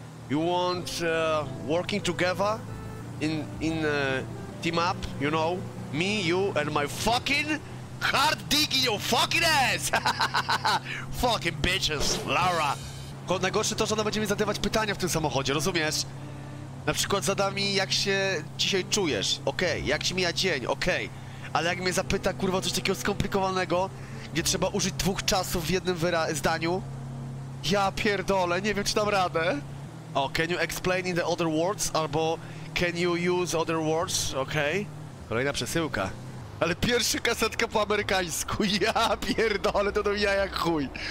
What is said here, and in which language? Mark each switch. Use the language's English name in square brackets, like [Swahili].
[English] You want working together? In team up, you know? Me, you, and my fucking hard dick in your fucking ass! Fucking bitches, Lara! [Polish] Tylko najgorsze to, że ona będzie mi zadawać pytania w tym samochodzie, rozumiesz? Na przykład zada mi, jak się dzisiaj czujesz, okej, okay. Jak się mija dzień, okej. Okay. Ale jak mnie zapyta, kurwa, coś takiego skomplikowanego, gdzie trzeba użyć dwóch czasów w jednym zdaniu, ja pierdolę, nie wiem, czy dam radę. [English] Oh, can you explain in the other words? Albo can you use other words? [Polish] Okej. Okay. Kolejna przesyłka. Ale pierwsza kasetka po amerykańsku. Ja pierdolę, to do jaja jak chuj.